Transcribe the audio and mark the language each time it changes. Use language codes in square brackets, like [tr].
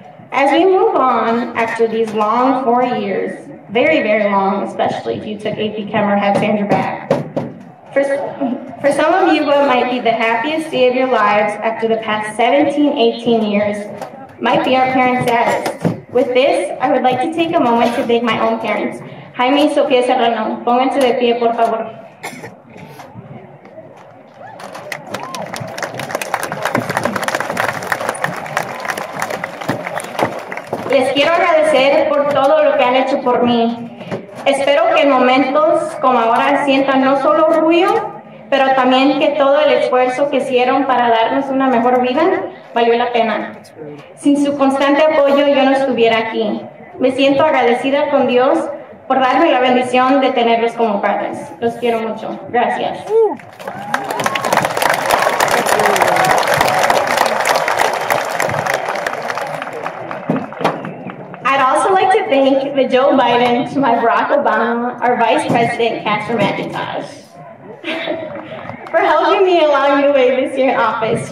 [en] As we move on after these long 4 years, very, very long, especially if you took AP Chem or had Sandra back, for some of you, what might be the happiest day of your lives after the past 17, 18 years might be our parents' saddest. With this, I would like to take a moment to thank my own parents. [es] Jaime y Sofía Serrano, pónganse de pie, por favor. Les quiero agradecer por todo lo que han hecho por mí. Espero que en momentos como ahora sientan no solo orgullo, pero también que todo el esfuerzo que hicieron para darnos una mejor vida valió la pena. Sin su constante apoyo, yo no estuviera aquí. Me siento agradecida con Dios por darme la bendición de tenerlos como padres. Los quiero mucho. Gracias. [en] I'd also like to thank the Joe Biden to my Barack Obama, our Vice President, Catherine McIntosh, for helping me along the way this year in office.